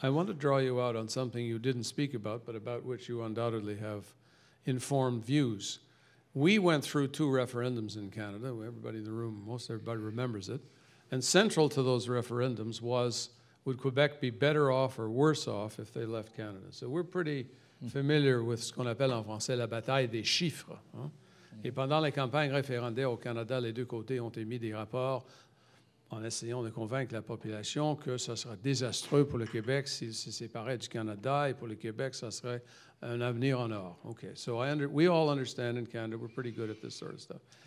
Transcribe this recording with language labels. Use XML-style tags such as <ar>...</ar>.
<en>I want to draw you out on something you didn't speak about, but about which you undoubtedly have informed views. We went through two referendums in Canada. Everybody in the room, most everybody remembers it. And central to those referendums was, would Quebec be better off or worse off if they left Canada? So we're pretty familiar with</en> <fr>ce qu'on appelle en français la bataille des chiffres. Hein? Et pendant les campagnes référendaires au Canada, les deux côtés ont émis des rapports en essayant de convaincre la population que ça serait désastreux pour le Québec s'il se séparait du Canada, et pour le Québec, ça serait un avenir en or.</fr> <en>Okay, so we all understand in Canada, we're pretty good at this sort of stuff.</en>